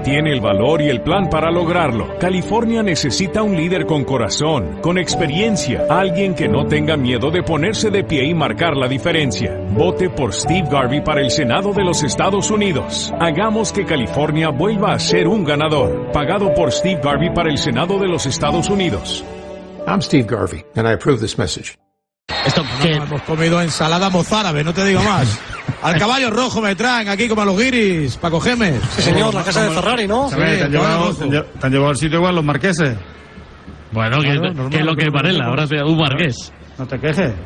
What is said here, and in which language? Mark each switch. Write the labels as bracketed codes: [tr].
[es] Tiene el valor y el plan para lograrlo. California necesita un líder con corazón, con experiencia, alguien que no tenga miedo de ponerse de pie y marcar la diferencia. Vote por Steve Garvey para el Senado de los Estados Unidos. Hagamos que California vuelva a ser un ganador. Pagado por Steve Garvey para el Senado de los Estados Unidos. [en] I'm Steve Garvey, and I approve this message. [es] Esto, no, hemos comido ensalada mozárabe, no te digo más. Al caballo rojo me traen aquí como a los guiris, para cogerme. Sí, señor, la casa de Ferrari, ¿no? Sí, te han llevado al sitio igual los marqueses. Bueno, claro, ¿qué es lo que Varela? Ahora sea un marqués. No te quejes.